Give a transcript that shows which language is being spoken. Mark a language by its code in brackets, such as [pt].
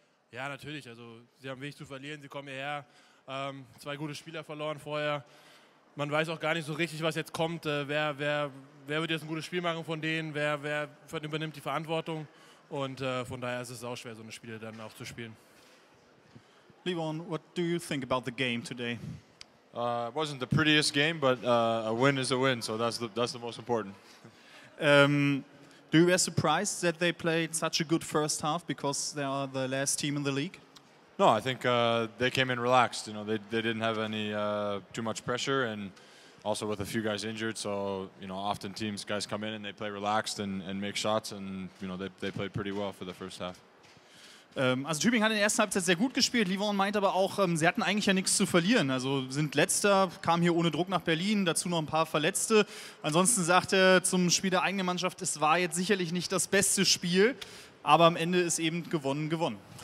[de] Ja, natürlich, also sie haben wenig zu verlieren, sie kommen hierher, zwei gute Spieler verloren vorher, man weiß auch gar nicht so richtig, was jetzt kommt, wer wird jetzt ein gutes Spiel machen von denen, wer übernimmt die Verantwortung? Und von daher ist es auch schwer, so eine Spiele dann auch zu spielen. [en] Livon, what do you think about the game today? It wasn't the prettiest game, but a win is a win, so that's the most important. Do you were surprised that they played such a good first half because they are the last team in the league? No, I think they came in relaxed. You know, they didn't have any too much pressure, and also with a few guys injured, so you know, often teams guys come in and they play relaxed and make shots, and you know they played pretty well for the first half. [de] Also Tübingen hat in der ersten Halbzeit sehr gut gespielt. Livon meint aber auch, sie hatten eigentlich ja nichts zu verlieren. Also sind Letzter, kam hier ohne Druck nach Berlin, dazu noch ein paar Verletzte. Ansonsten sagt er zum Spiel der eigenen Mannschaft, es war jetzt sicherlich nicht das beste Spiel, aber am Ende ist eben gewonnen.